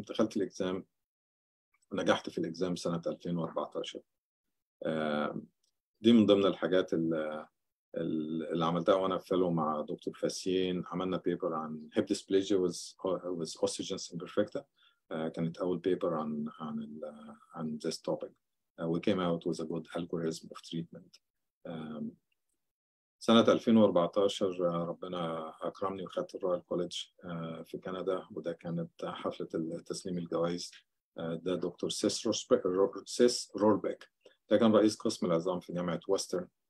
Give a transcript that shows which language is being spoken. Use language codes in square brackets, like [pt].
[ar] دخلت الإكزام، نجحت في الإكزام سنة 2014. دي من ضمن الحاجات اللي عملتها وأنا فيلو مع دكتور فاسين. عملنا بيبر عن هيب ديسبليجيا وز أوستيجنس إمبرفكتا، كانت أول بيبر عن [en] this topic. We came out with a good algorithm of treatment. [ar] سنة 2014 ربنا أكرمني وخدت الرويال كوليدج في كندا، وده كانت حفلة تسليم الجوائز. ده دكتور سيس رولبيك، ده كان رئيس قسم العظام في جامعة وسترن.